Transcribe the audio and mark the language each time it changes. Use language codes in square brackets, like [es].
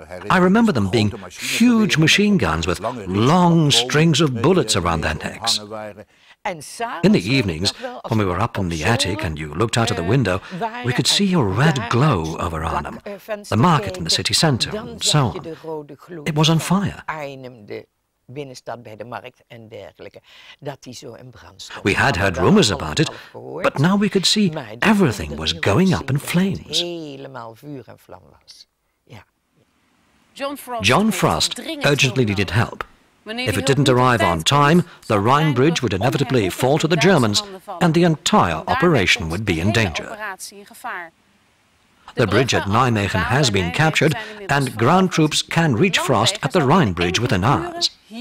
[en] I remember them being huge machine guns with long strings of bullets around their necks. In the evenings, when we were up in the attic and you looked out of the window, we could see a red glow over Arnhem, the market in the city centre, and so on. It was on fire. [nl] binnenstad bij de markt en dergelijke, dat die zo in brand stond. [en] We had heard rumors about it, but now we could see everything was going up in flames. [nl] Helemaal vuur en vlam was. Ja. [en] John Frost urgently needed help. If it didn't arrive on time, the Rhine Bridge would inevitably fall to the Germans and the entire operation would be in danger. The bridge at Nijmegen has been captured and ground troops can reach Frost at the Rhine Bridge within hours.